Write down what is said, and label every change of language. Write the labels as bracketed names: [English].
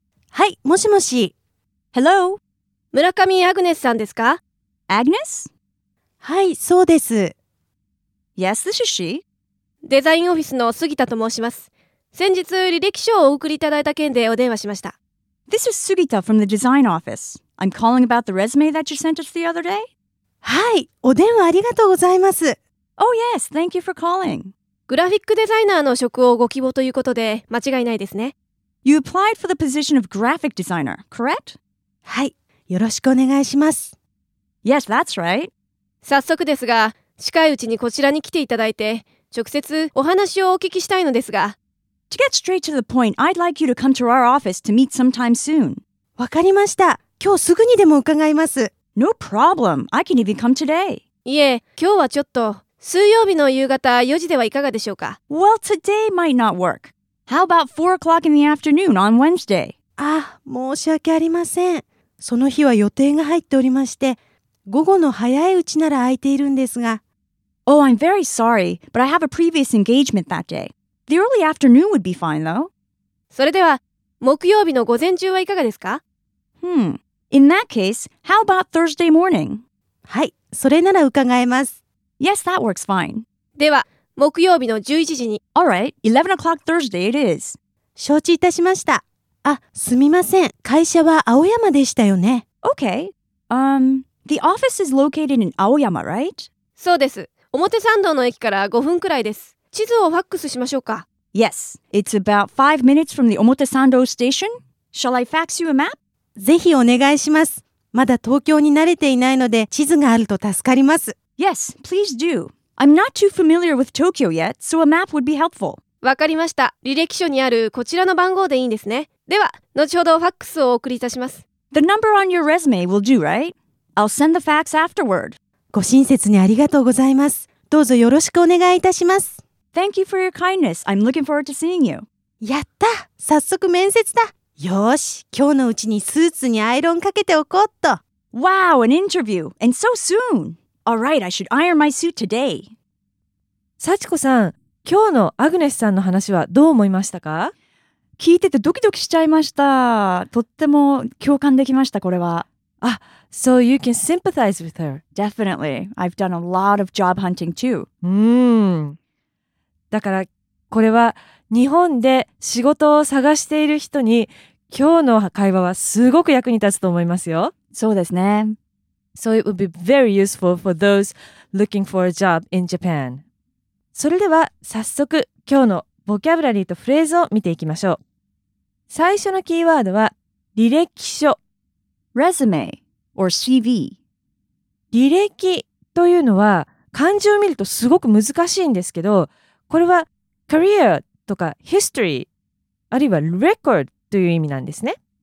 [Japanese] はい、もしもし。 [English] Hello、 [Japanese] 村上アグネスさんですか。 [English] Agnes。 [Japanese] はい、そうです。 [English] Yes, this is she。 [Japanese] デザインオフィスの杉田と申します。先日履歴書をお送りいただいた件でお電話しました。 [English] This is Sugita from the design office. I'm calling about the resume that you sent us the other day. [Japanese] はい、お電話ありがとうございます。 [English] Oh yes, thank you for calling. [Japanese] グラフィックデザイナーの職をご希望ということで間違いないですね。 [English] You applied for the position of graphic designer, correct? [Japanese] はい、よろしくお願いします。 [English] Yes, that's right. [Japanese] 早速ですが、近いうちにこちらに来ていただいて直接お話をお聞きしたいのですが。 [English] To get straight to the point, I'd like you to come to our office to meet sometime soon. [Japanese] わかりました。今日すぐにでも伺います。 [English] No problem. I can even come today. [Japanese] いえ、今日はちょっと。水曜日の夕方4時ではいかがでしょうか。 [English] Well, today might not work. How about 4 o'clock in the afternoon on Wednesday? [Japanese] あ、申し訳ありません。その日は予定が入っておりまして、午後の早いうちなら空いているんですが。 [English] Oh, I'm very sorry, but I have a previous engagement that day. The early afternoon would be fine, though. [Japanese] それでは、木曜日の午前中はいかがですか? [English] Hmm. In that case, how about Thursday morning? [Japanese] はい、それなら伺えます。 [English] Yes, that works fine. [Japanese] では、木曜日の11時に。 [English] All right, 11 o'clock Thursday it is. [Japanese] 承知いたしました。あ、すみません。会社は青山でしたよね。 [English] Okay. The office is located in 青山, right? [Japanese] そうです。表参道の駅から5分くらいです。地図をファックスしましょうか。 [English] Yes, it's about 5 minutes from the 表参道 station. Shall I fax you a map? [Japanese] ぜひお願いします。まだ東京に慣れていないので地図があると助かります。 [English] Yes, please do. I'm not too familiar with Tokyo yet, so a map would be helpful. [Japanese] わかりました、履歴書にあるこちらの番号でいいんですね。では、後ほどファックスをお送りいたします。 [English] The number on your resume will do, right? I'll send the fax afterward. [Japanese] ご親切にありがとうございます。どうぞよろしくお願いいたします。 [English] Thank you for your kindness. I'm looking forward to seeing you. [Japanese] やった!早速面接だ! よし、今日のうちにスーツにアイロンかけておこうっと。 [English] Wow, an interview! And so soon! All right, I should iron my suit today. [Japanese] 幸子さん、今日のアグネスさんの話はどう思いましたか? 聞いててドキドキしちゃいました。とっても共感できました、これは。 [English] あ、so you can sympathize with her. Definitely. I've done a lot of job hunting too. [Japanese] だからこれは日本で仕事を探している人に今日の会話はすごく役に立つと思いますよ。そうですね。 [English] So it would be very useful for those looking for a job in Japan. [Japanese] それでは早速今日のボキャブラリーとフレーズを見ていきましょう。最初のキーワードは履歴書。 [English] Resume or CV。 [Japanese] 履歴というのは漢字を見るとすごく難しいんですけど、これは career とか history あるいは record という意味なんですね。